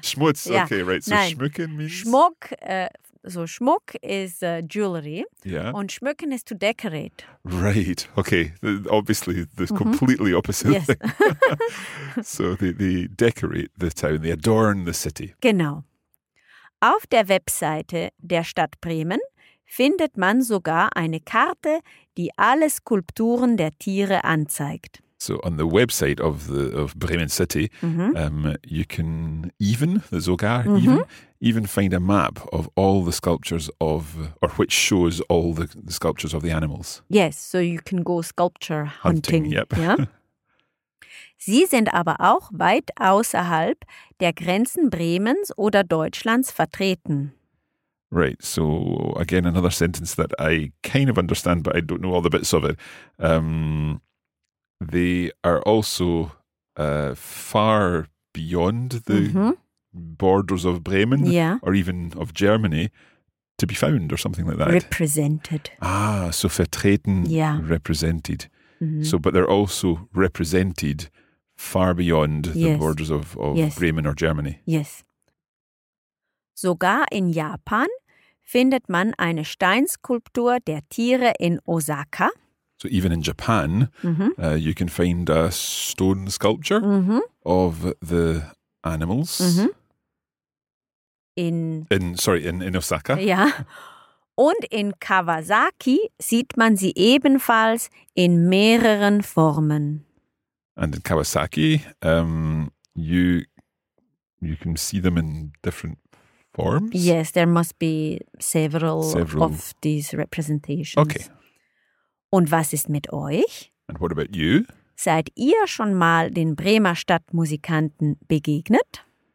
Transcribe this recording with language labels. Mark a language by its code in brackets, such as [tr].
[en] Schmutz, okay, right. So nein. Schmücken means... Schmuck, so Schmuck is jewelry. Yeah. Und Schmücken is to decorate. Right, okay. Obviously, the completely opposite thing. So they decorate the town, they adorn the city. [de] Genau. Auf der Webseite der Stadt Bremen findet man sogar eine Karte, die alle Skulpturen der Tiere anzeigt. [en] So on the website of Bremen City, you can even find a map of all the sculptures of, or which shows all the sculptures of the animals. Yes, so you can go sculpture hunting. Yeah? [de] Sie sind aber auch weit außerhalb der Grenzen Bremens oder Deutschlands vertreten. [en] Right, so again, another sentence that I kind of understand, but I don't know all the bits of it. They are also far beyond the borders of Bremen or even of Germany to be found or something like that. Represented. Ah, so vertreten, represented. So, but they're also represented far beyond the borders of Bremen or Germany. Yes. [de] Sogar in Japan findet man eine Steinskulptur der Tiere in Osaka. [en] So even in Japan, you can find a stone sculpture of the animals. In Osaka. [de] Ja. Und in Kawasaki sieht man sie ebenfalls in mehreren Formen. [en] And in Kawasaki, you can see them in different forms? Yes, there must be several of these representations. Okay. [de] Und was ist mit euch? [en] And what about you? [de] Seid ihr schon mal den Bremer Stadtmusikanten begegnet?